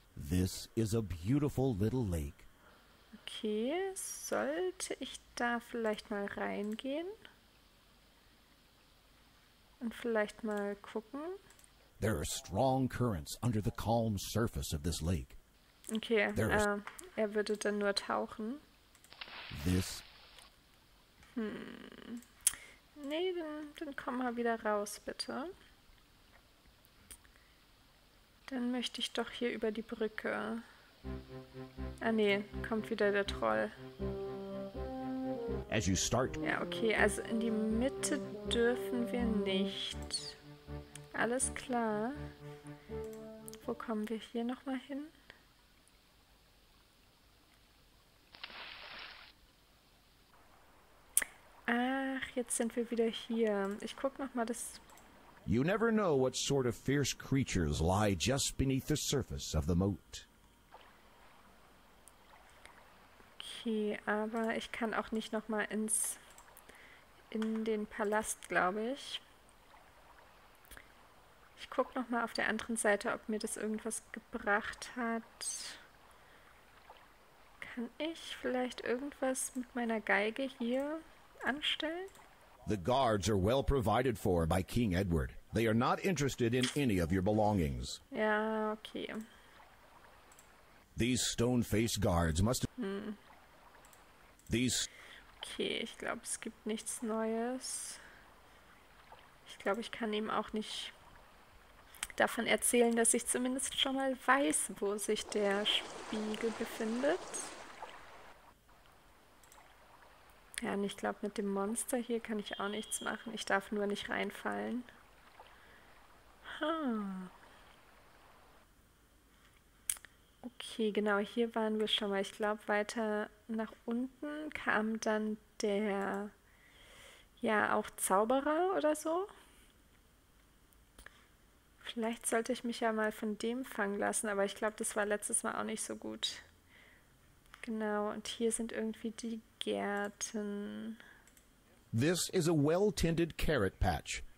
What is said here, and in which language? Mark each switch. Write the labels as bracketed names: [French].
[English] This is a beautiful little lake. [German] Okay, sollte ich da vielleicht mal reingehen? Und vielleicht mal gucken? [English] There are strong currents under the calm surface of this lake. Okay, There is. [German] er würde dann nur tauchen. [English] This. [German] Nee, dann komm mal wieder raus, bitte. Dann möchte ich doch hier über die Brücke. Ah nee, kommt wieder der Troll. [English] As you start. [German] Ja, okay, also in die Mitte dürfen wir nicht. Alles klar. Wo kommen wir hier nochmal hin? Ach, jetzt sind wir wieder hier. Ich guck nochmal das. [English] You never know what sort of fierce creatures lie just beneath the surface of the moat. [German] Okay, aber ich kann auch nicht noch mal in den Palast, glaube ich. Ich guck noch mal auf der anderen Seite, ob mir das irgendwas gebracht hat. Kann ich vielleicht irgendwas mit meiner Geige hier anstellen? [English] The guards are well provided for by King Edward. They are not interested in any of your belongings. [German] Ja, okay. [English] These stone-faced guards must. These. [German] Okay, ich glaube, es gibt nichts Neues. Ich glaube, ich kann ihm auch nicht davon erzählen, dass ich zumindest schon mal weiß, wo sich der Spiegel befindet. Ja, und ich glaube, mit dem Monster hier kann ich auch nichts machen. Ich darf nur nicht reinfallen. Okay, genau, hier waren wir schon mal. Ich glaube, weiter nach unten kam dann der, ja, auch Zauberer oder so. Vielleicht sollte ich mich ja mal von dem fangen lassen, aber ich glaube, das war letztes Mal auch nicht so gut. Genau, und hier sind irgendwie die Gärten. [English] This is a well-tended carrot patch.